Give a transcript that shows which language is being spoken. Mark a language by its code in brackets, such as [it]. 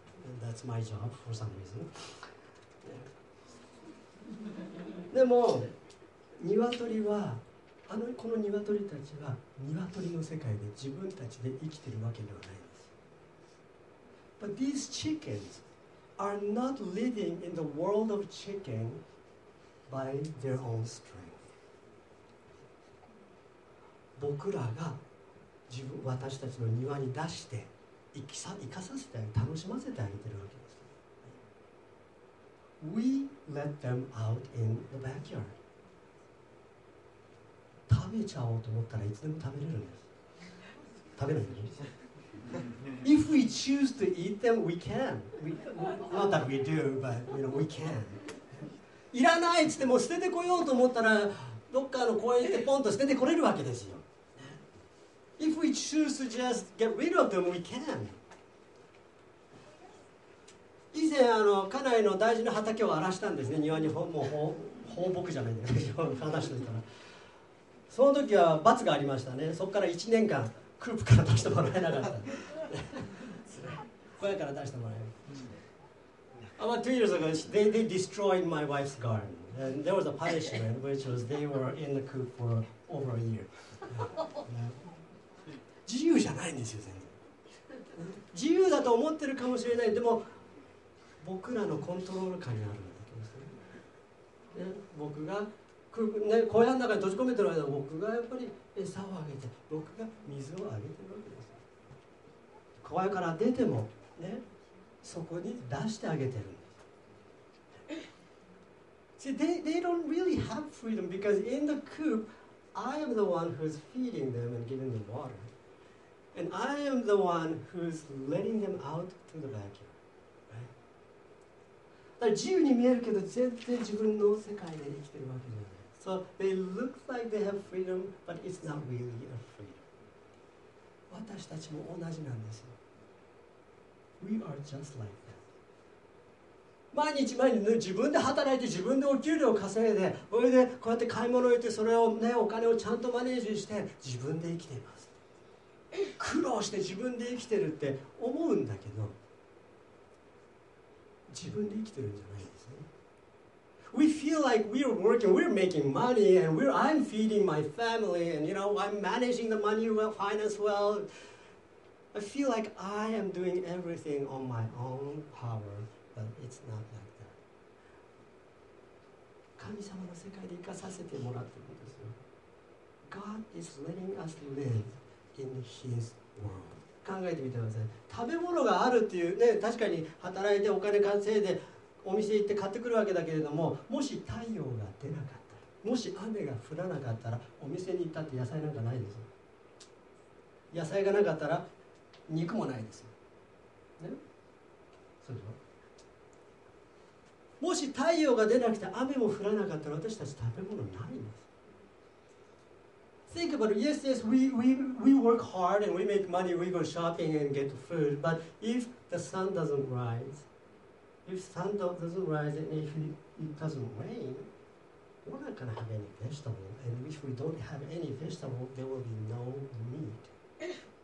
[en] And that's my job for some reason. [ja] でも、鶏は、この鶏たちは鶏の世界で自分たちで生きてるわけではないんです。 [en] But these chickens are not living in the world of chicken by their own strength. [ja] 僕らが自分私たちの庭に出して生かさせてあげて楽しませてあげてるわけです。 [en] We let them out in the backyard. [ja] 食べちゃおうと思ったらいつでも食べれるんです。食べないでしょ。 [en] If we choose to eat them, we can. Not that we do, but you know, we can. [ja] いらないっつっても捨ててこようと思ったらどっかの公園でポンと捨ててこれるわけですよ。 [en] If we choose to just get rid of them, we can. [ja] 以前家内の大事な畑を荒らしたんですね。庭にもう放牧じゃないんだ話してたら。その時は罰がありましたね。そこから1年間クープから出してもらえなかった。小屋から出してもらえる。 [en] About 2 years ago, they destroyed my wife's garden. And there was a punishment, which was they were in the coop for over a year. Yeah. Yeah. [ja] 自由じゃないんですよ、全然。自由だと思ってるかもしれない。でも、僕らのコントロール下にあるんだと思うんですね。僕がクープ、ね、小屋の中に閉じ込めてる間、僕がやっぱり餌をあげて、僕が水をあげてるわけです。小屋から出ても、ね。そこに出してあげてるんです。 [en] See, they don't really have freedom because in the coop, I am the one who's feeding them and giving them water. And I am the one who's letting them out to the backyard. Right? [ja] 自由に見えるけど、全然自分の世界で生きてるわけじゃない。 [en] So they look like they have freedom, but it's not really a freedom. [ja] 私たちも同じなんですよ。 [en] We are just like that. [ja] 毎日毎日、ね、自分で働いて自分でお給料を稼いでそれでこうやって買い物を行ってそれを、ね、お金をちゃんとマネージして自分で生きています苦労して自分で生きてるって思うんだけど自分で生きてるんじゃないんですね [en] We feel like we're working, we're making money and I'm feeding my family and you know, I'm managing the money well, finance well. I feel like I am doing everything on my own power, but it's not like that. [ja] 神様の世界で生かさせてもらってるんですよ。 [en] God is letting us live in His world. [ja] 考えてみてください。食べ物があるっていうね、確かに働いてお金稼いでお店行って買ってくるわけだけれども、もし太陽が出なかったら、もし雨が降らなかったら、お店に行ったって野菜なんかないですよ。野菜がなかったら、肉もないですよ、ね、そうでしょもし太陽が出なくて雨も降らなかったら私たち食べ物ないんです [en] Think about it. Yes, yes, we work hard and we make money, we go shopping and get food. But if the sun doesn't rise, if sun doesn't rise and if it doesn't rain, we're not going to have any vegetable. And if we don't have any vegetable, there will be no meat.